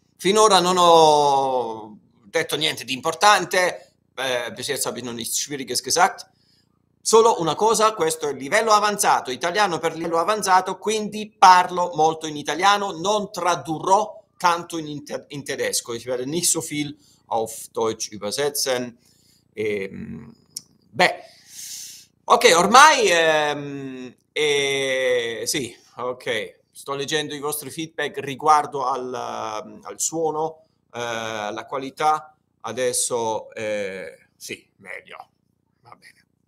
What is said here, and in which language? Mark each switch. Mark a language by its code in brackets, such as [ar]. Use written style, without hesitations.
[it] Finora non ho detto niente di importante, [de] bis jetzt habe ich noch nichts Schwieriges gesagt. [it] Solo una cosa, questo è livello avanzato, italiano per livello avanzato, quindi parlo molto in italiano, non tradurrò tanto in tedesco. [de] Ich werde nicht so viel auf Deutsch übersetzen. [it] Beh, ok, ormai sì, ok, sto leggendo i vostri feedback riguardo al suono, alla qualità. Adesso sì, meglio. Va bene.